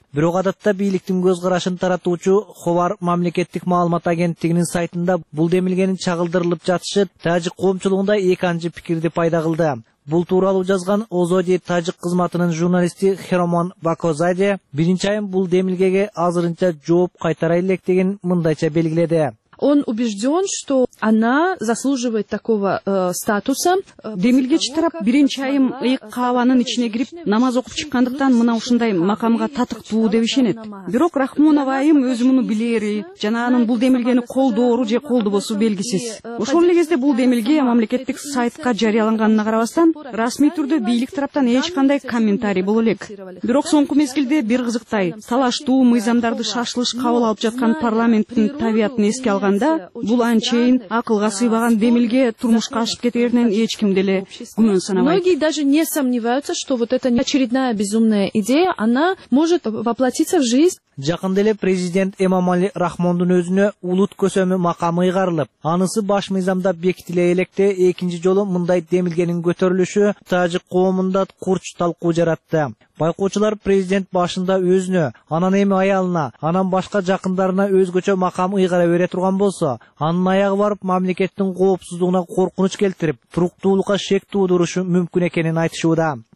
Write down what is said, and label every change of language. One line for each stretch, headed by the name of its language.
Kyrgyz: Бирок адатта бийликтин көз карашын таратуучу Ховар мамлекеттик маалымат агенттигинин сайтында бул демилгенин чагылдырылып жатышы тажик коомчулугунда экинчи пикирди пайда кылды. Бул тууралуу жазган Озоди тажик кызматынын журналисти Хероман Бакозаде биринчи айым бул демилгеге азырынча жооп кайтара элек деген мындайча белгиледи.
Russian: Он убежден, что она заслуживает такого статуса.
Kyrgyz: Демилге чытырап, биринчи айым ыйкаванын ичине кирип, намаз окуп чыккандыктан мына ушундай макамга татыктуу деп ишенет. Бирок Рахмонова айым өзү муну билери жана анын бул демилгени колдоору же колдобосу белгисиз. Ошол негизде бул демилге мамлекеттик сайтка жарыяланганына карабастан, расмий түрдө бийлик тараптан эч кандай комментарий боло элек. Бирок соңку мезгилде бир кызыктай, талаштуу мыйзамдарды шашылыш кабыл алып жаткан парламенттин табиятын эске алганда бул анчейин акылга сыйбаган демилге турмушка ашып кетеринен эч ким деле күмөн санабайт.
Russian: Многие даже не сомневаются, что вот эта очередная безумная идея, она может воплотиться в жизнь.
Kyrgyz: Жакында эле президент Эмомали Рахмондун өзүнө улут көсөмү макамы ыйгарылып, анысы баш мыйзамда бекитиле электе экинчи жолу мындай демилгенин көтөрүлүшү тажик коомунда курч талкуу жаратты. Байкоочулар президент башында өзүнө, анан эми аялына, анан башка жакындарына өзгөчө макам ыйгара бере турган болсо, анын аягы барып мамлекеттин коопсуздугуна коркунуч келтирип, туруктуулукка шек туудурушу мүмкүн экенин айтышууда.